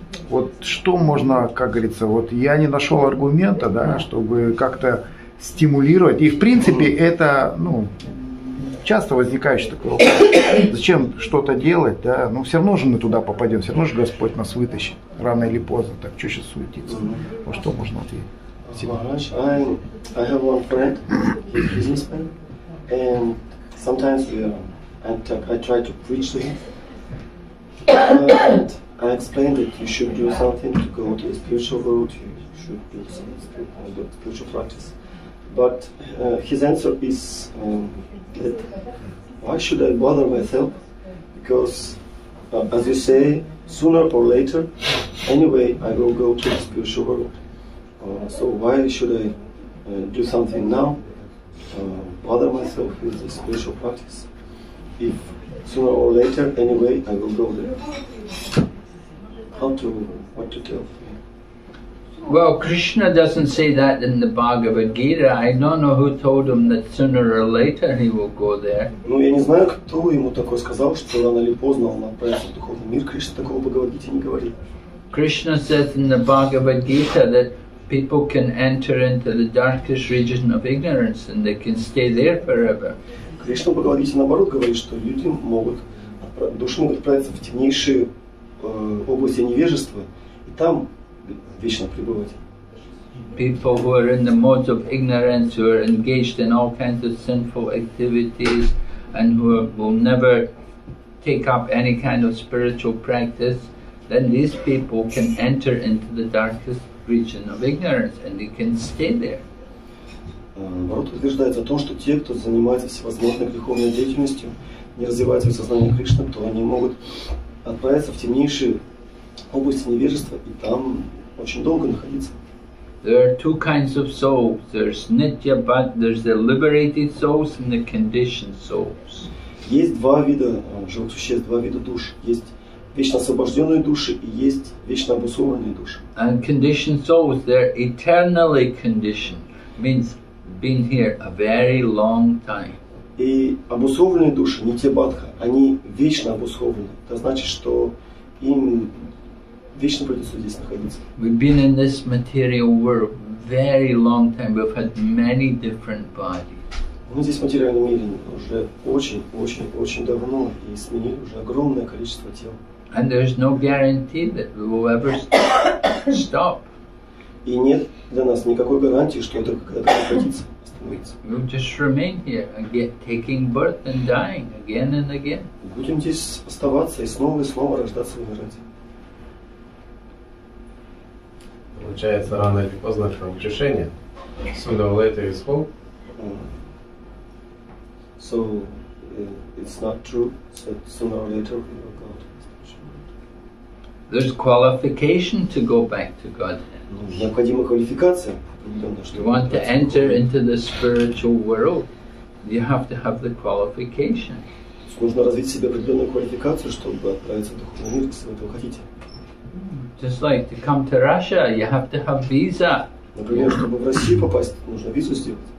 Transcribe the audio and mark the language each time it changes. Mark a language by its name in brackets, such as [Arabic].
[Russian] Вот что можно, как говорится, вот я не нашел аргумента, да, чтобы как-то стимулировать. И в принципе это, ну, часто возникающий такой вопрос. Зачем что-то делать, да? Ну все равно же мы туда попадем, все равно же Господь нас вытащит. Рано или поздно. Так что сейчас суетиться? Вот что можно ответить? [English] Maharaj, I have one friend, he's a businessman, and sometimes I try to preach to him, and I explain that you should do something to go to the spiritual world, you should do some spiritual practice, but his answer is that why should I bother myself, because as you say, sooner or later, anyway, I will go to the spiritual world. So why should I do something now, bother myself with the spiritual practice, if sooner or later, anyway, I will go there? What to tell? Well, Krishna doesn't say that in the Bhagavad Gita. I don't know who told him that sooner or later he will go there. [Russian] Ну, я не знаю, кто ему такое сказал, что рано или поздно он отправится в духовный мир. Кришна такого в Бхагавад Гите не говорит. [English] Krishna says in the Bhagavad Gita that people can enter into the darkest region of ignorance and they can stay there forever. [Russian] Кришна Бхагавад Гите наоборот говорит, что люди могут душа может отправиться в темнейшие области невежества и там вечно пребывать. [English] People who are in the modes of ignorance, who are engaged in all kinds of sinful activities and who will never take up any kind of spiritual practice, then these people can enter into the darkest region of ignorance and they can stay there. [Russian] Наоборот, утверждается о том, что те, кто занимается всевозможной греховной деятельностью, не развивает свое сознание Кришны, то они могут отправиться в темнейшие области невежества и там очень долго находиться. [English] There are two kinds of souls. There's nitya, but there's the liberated souls and the conditioned souls. [Russian] Есть два вида живых существ, два вида душ. Есть вечно освобожденные души и есть вечно обусловленные души. [English] And conditioned souls, they're eternally conditioned, means been here a very long time. [Russian] И обусловленные души, не те бадха, они вечно обусловлены. Это значит, что им вечно придется здесь находиться. [English] We've been in this material world very long time. We've had many different bodies. [Russian] Мы здесь в материальном мире уже очень давно и сменили уже огромное количество тел. [English] And there's no guarantee that we will ever stop. [Russian] И нет для нас никакой гарантии, что это когда-то прекратится, остановится. [English] We'll just remain here again, taking birth and dying again and again. [Russian] Будем здесь оставаться и снова рождаться и умирать. Получается, рано или поздно будет решение. [English] Sooner or later is hope. So it's not true that sooner or later we will go to God. There's qualification to go back to God. [Russian] Необходима квалификация. [English] You want to enter into the spiritual world, you have to have the qualification. [Russian] Нужно развить в себе определенную квалификацию, чтобы отправиться в духовный мир, если вы этого хотите. [English] Just like to come to Russia, you have to have visa. [Russian] Например, чтобы в Россию попасть, нужно визу сделать.